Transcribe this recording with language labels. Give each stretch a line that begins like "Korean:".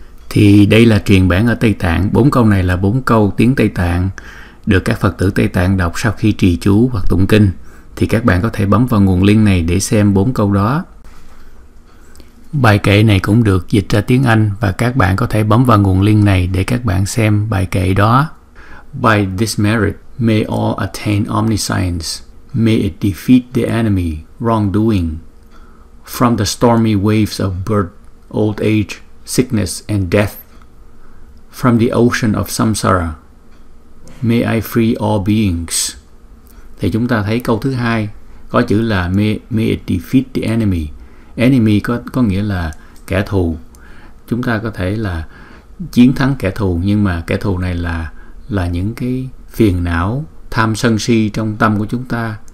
Vietnamese: Thì đây là truyền bản ở Tây Tạng. Bốn câu này là bốn câu tiếng Tây Tạng được các Phật tử Tây Tạng đọc sau khi trì chú hoặc tụng kinh. Thì các bạn có thể bấm vào nguồn link này để xem bốn câu đó. Bài kệ này cũng được dịch ra tiếng Anh và các bạn có thể bấm vào nguồn link này để các bạn xem bài kệ đó.
English: By this merit, may all attain omniscience. May it defeat the enemy, wrongdoing, from the stormy waves of birth, old age, sickness, and death, from the ocean of samsara. May I free all beings.
Vietnamese: Thì chúng ta thấy câu thứ hai có chữ là
English: may it defeat the enemy.
Vietnamese: Enemy có nghĩa là kẻ thù. Chúng ta có thể là chiến thắng kẻ thù, nhưng mà kẻ thù này là những cái phiền não, tham sân si trong tâm của chúng ta.